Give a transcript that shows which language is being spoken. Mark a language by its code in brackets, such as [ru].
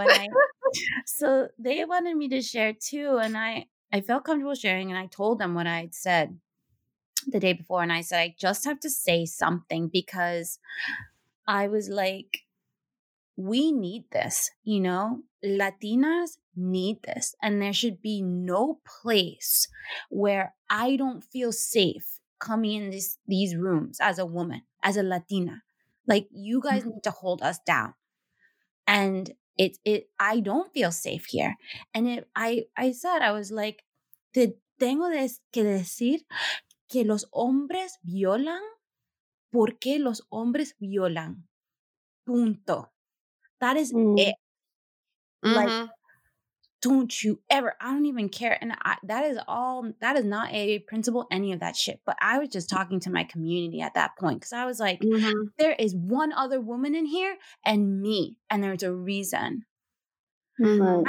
[en] And so they wanted me to share too, and I felt comfortable sharing, and I told them what I had said the day before, and I said I just have to say something because I was like, we need this, you know, Latinas need this, and there should be no place where I don't feel safe coming in these rooms as a woman, as a Latina. Like, you guys need to hold us down. And I don't feel safe here. And I was like, [es] te tengo que decir que los hombres violan porque los hombres violan. [en] Punto. That is it. Mm-hmm. Like, don't you ever, I don't even care. And that is not a principle, any of that shit. But I was just talking to my community at that point. Cause I was like, there is one other woman in here and me, and there's a reason. Mm-hmm.